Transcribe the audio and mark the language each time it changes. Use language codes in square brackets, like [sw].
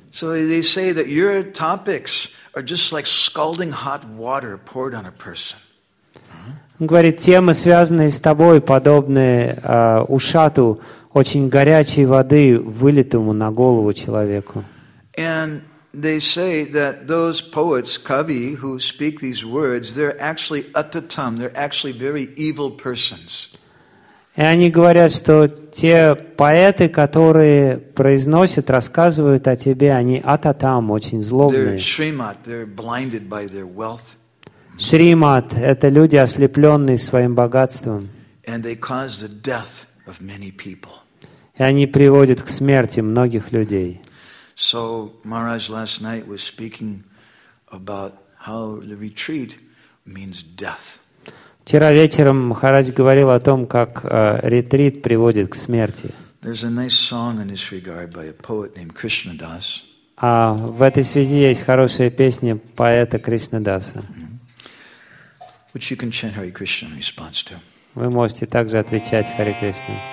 [en] So they say that your topics are just like scalding hot water poured on a person. [ru] Он говорит, темы, связанные с тобой, подобные ушату очень горячей воды, вылитому на голову человеку. [en] And they say that those poets, kavi, who speak these words, they're actually atatam, they're actually very evil persons. [ru] И они говорят, что те поэты, которые произносят, рассказывают о тебе, они ататам, очень злобные. [en] They're shrimat, they're blinded by their wealth. [ru] Шримат – это люди, ослепленные своим богатством. [en] And they cause the death of many people. [ru] И они приводят к смерти многих людей. [en] So Maharaj last night was speaking about how the retreat means death. [ru] Вчера вечером Махарадж говорил о том, как ретрит приводит к смерти. [en] There's a nice song in this regard by a poet named Krishnadas. [ru] А в этой связи есть хорошая песня поэта Кришнадаса. [en] Which you can chant Hare Krishna in response to. [ru] Вы можете также отвечать Харе Кришна.